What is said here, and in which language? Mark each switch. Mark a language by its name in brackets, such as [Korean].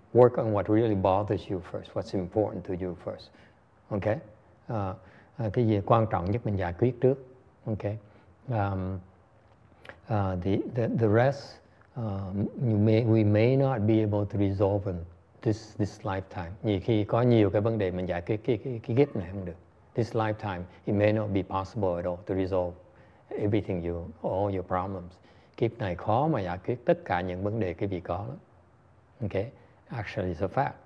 [English] Work on what really bothers you first, what's important to you first. Okay? [Vietnamese] Cái gì quan trọng nhất mình giải quyết trước. [English] Okay? The rest, we may not be able to resolve in this lifetime. [Vietnamese] Nhiều khi có nhiều cái vấn đề mình giải quyết cái kiếp này không được. [English] This lifetime, it may not be possible at all to resolve everything you, all your problems. [Vietnamese] Kiếp này khó mà giải quyết tất cả những vấn đề quý vị có lắm. Okay? [English] Actually, it's a fact.